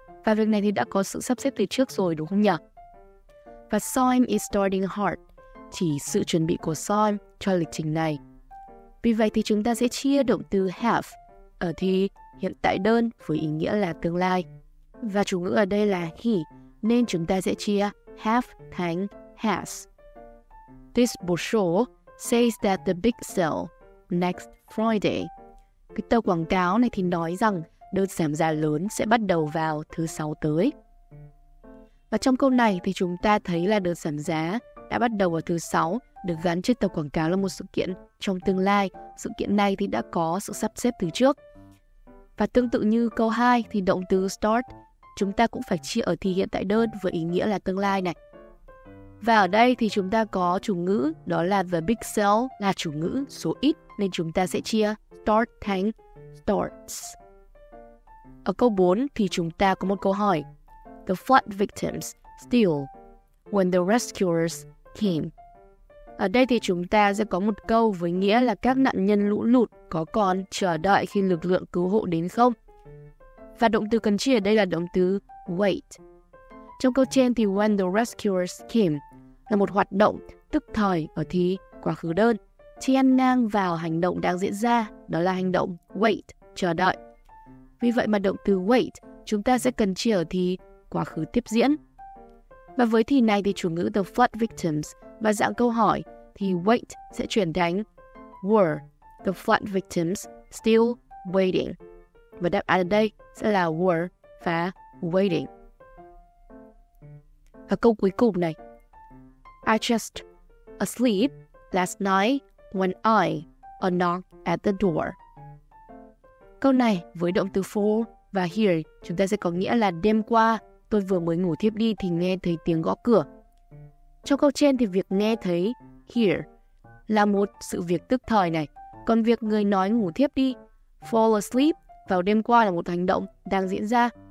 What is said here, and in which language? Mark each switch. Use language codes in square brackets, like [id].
[vi] Và việc này thì đã có sự sắp xếp từ trước rồi đúng không nhỉ? Và [en] Sam is studying hard [vi] chỉ sự chuẩn bị của Sam cho lịch trình này. Vì vậy thì chúng ta sẽ chia động từ have ở thì hiện tại đơn với ý nghĩa là tương lai. Và chủ ngữ ở đây là he, nên chúng ta sẽ chia have thành has. [en] This brochure says that the big sale next Friday. [vi] Cái tờ quảng cáo này thì nói rằng đợt giảm giá lớn sẽ bắt đầu vào thứ 6 tới. Và trong câu này thì chúng ta thấy là đợt giảm giá đã bắt đầu vào thứ 6, được gắn trên tờ quảng cáo là một sự kiện trong tương lai. Sự kiện này thì đã có sự sắp xếp từ trước. Và tương tự như câu 2 thì động từ start chúng ta cũng phải chia ở thì hiện tại đơn với ý nghĩa là tương lai này. Và ở đây thì chúng ta có chủ ngữ, đó là the big sale là chủ ngữ số ít, nên chúng ta sẽ chia start thành starts. Ở câu 4 thì chúng ta có một câu hỏi. [en] The flood victims still when the rescuers came. [vi] Ở đây thì chúng ta sẽ có một câu với nghĩa là các nạn nhân lũ lụt có còn chờ đợi khi lực lượng cứu hộ đến không? Và động từ cần chia ở đây là động từ wait. Trong câu trên thì [en] when the rescuers came [vi] là một hoạt động tức thời ở thì quá khứ đơn, chen ngang vào hành động đang diễn ra, đó là hành động wait, chờ đợi. Vì vậy mà động từ wait chúng ta sẽ cần chia ở thì quá khứ tiếp diễn. Và với thì này thì chủ ngữ the flood victims và dạng câu hỏi thì wait sẽ chuyển thành [en] were the flood victims still waiting. [vi] Và đáp án ở đây sẽ là were và waiting. Và câu cuối cùng này. [en] I just asleep last night when I a knock at the door. [vi] Câu này với động từ for và here chúng ta sẽ có nghĩa là đêm qua tôi vừa mới ngủ thiếp đi thì nghe thấy tiếng gõ cửa. Trong câu trên thì việc nghe thấy hear là một sự việc tức thời này. Còn việc người nói ngủ thiếp đi, fall asleep vào đêm qua là một hành động đang diễn ra.